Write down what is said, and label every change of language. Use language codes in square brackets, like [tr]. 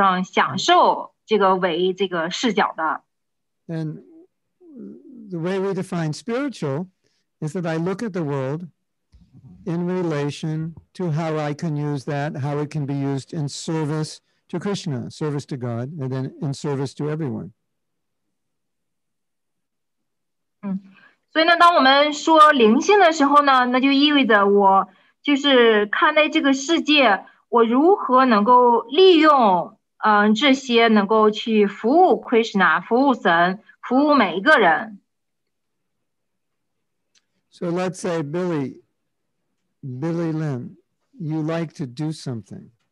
[zh] 我看待这个世界是以我怎么能够在这个世界上享受这个为这个视角的。 [en] And the way we define spiritual is that I look at the world in relation to how I can use that, how it can be used in service to Krishna, service to God, and then in service to everyone. [zh] 所以呢，当我们说灵性的时候呢，那就意味着我就是看待这个世界，我如何能够利用这些能够去服务 Krishna， 服务神，服务每一个人。 [en] So let's say Billy Lin, you like to do something.